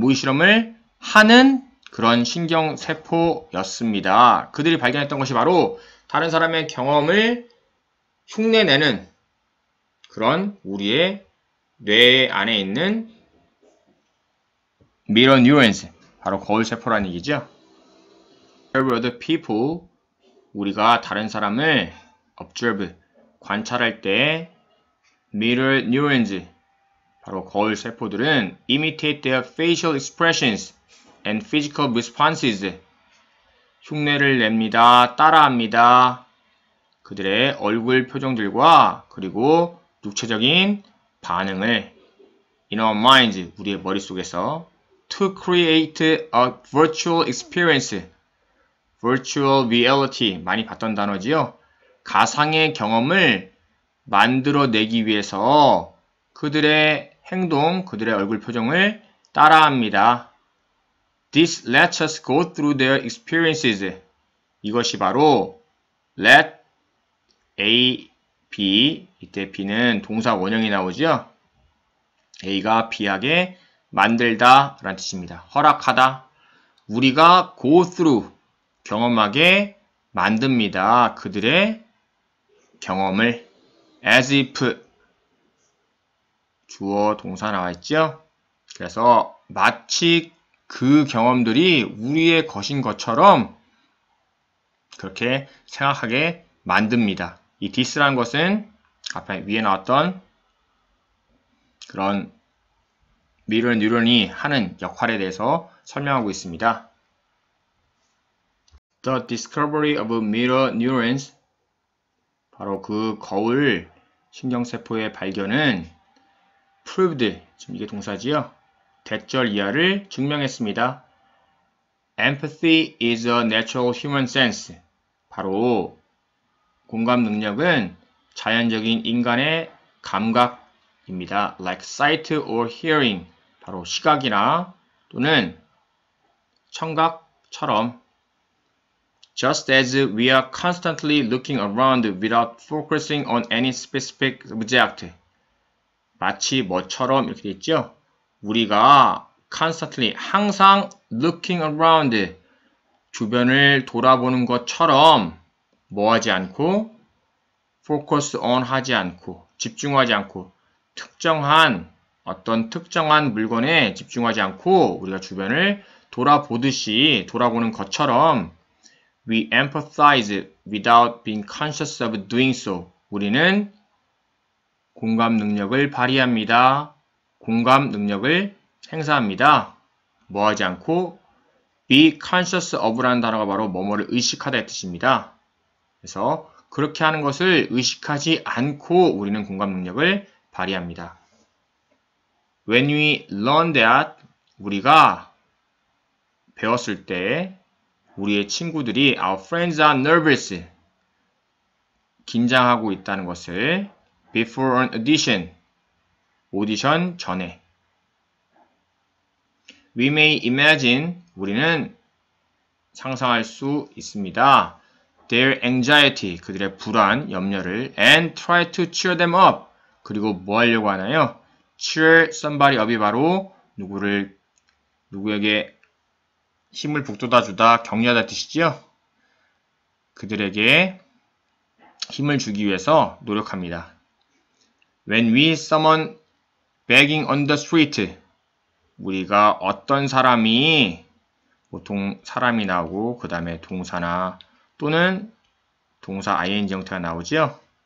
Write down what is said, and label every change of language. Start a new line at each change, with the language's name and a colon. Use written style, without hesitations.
Korean: 모의 실험을 하는 그런 신경세포였습니다. 그들이 발견했던 것이 바로 다른 사람의 경험을 흉내내는 그런 우리의 뇌 안에 있는 미러 뉴런스, 바로 거울세포라는 얘기죠.
English: Observe other people,
Korean: 우리가 다른 사람을 observe, 관찰할 때 미러 뉴런스, 바로 거울세포들은
English: imitate their facial expressions, and physical responses.
Korean: 흉내를 냅니다. 따라합니다. 그들의 얼굴 표정들과 그리고 육체적인 반응을
English: in our minds,
Korean: 우리의 머릿속에서
English: to create a virtual experience, virtual reality
Korean: 많이 봤던 단어지요. 가상의 경험을 만들어내기 위해서 그들의 행동, 그들의 얼굴 표정을 따라합니다.
English: This lets us go through their experiences.
Korean: 이것이 바로 let A, B, 이때 B는 동사 원형이 나오죠. A가 B하게 만들다 라는 뜻입니다. 허락하다. 우리가 go through, 경험하게 만듭니다. 그들의 경험을 as if 주어 동사 나와있죠. 그래서 마치 그 경험들이 우리의 것인 것처럼 그렇게 생각하게 만듭니다. 이 this라는 것은 앞에 위에 나왔던 그런 미러 뉴런이 하는 역할에 대해서 설명하고 있습니다.
English: The discovery of mirror neurons,
Korean: 바로 그 거울 신경세포의 발견은 proved, 지금 이게 동사지요. 대절 이하를 증명했습니다.
English: Empathy is a natural human sense.
Korean: 바로 공감 능력은 자연적인 인간의 감각입니다.
English: Like sight or hearing.
Korean: 바로 시각이나 또는 청각처럼.
English: Just as we are constantly looking around without focusing on any specific object.
Korean: 마치 뭐처럼 이렇게 됐죠. 우리가 constantly, 항상 looking around, 주변을 돌아보는 것처럼 뭐 하지 않고, focus on 하지 않고, 집중하지 않고, 특정한, 어떤 특정한 물건에 집중하지 않고, 우리가 주변을 돌아보듯이, 돌아보는 것처럼,
English: we empathize without being conscious of doing so.
Korean: 우리는 공감 능력을 발휘합니다. 공감 능력을 행사합니다. 뭐하지 않고
English: be conscious of
Korean: 라는 단어가 바로 뭐뭐를 의식하다의 뜻입니다. 그래서 그렇게 하는 것을 의식하지 않고 우리는 공감 능력을 발휘합니다.
English: When we learn that,
Korean: 우리가 배웠을 때 우리의 친구들이
English: our friends are nervous,
Korean: 긴장하고 있다는 것을
English: before an audition,
Korean: 오디션 전에.
English: We may imagine,
Korean: 우리는 상상할 수 있습니다.
English: Their anxiety,
Korean: 그들의 불안, 염려를
English: and try to cheer them up.
Korean: 그리고 뭐 하려고 하나요?
English: Cheer somebody up
Korean: 이 바로 누구에게 힘을 북돋아주다, 격려하다 뜻이지요. 그들에게 힘을 주기 위해서 노력합니다.
English: When we summon begging on the street,
Korean: 우리가 어떤 사람이 보통 사람이 나오고 그 다음에 동사나 또는 동사 ing 형태가 나오지요.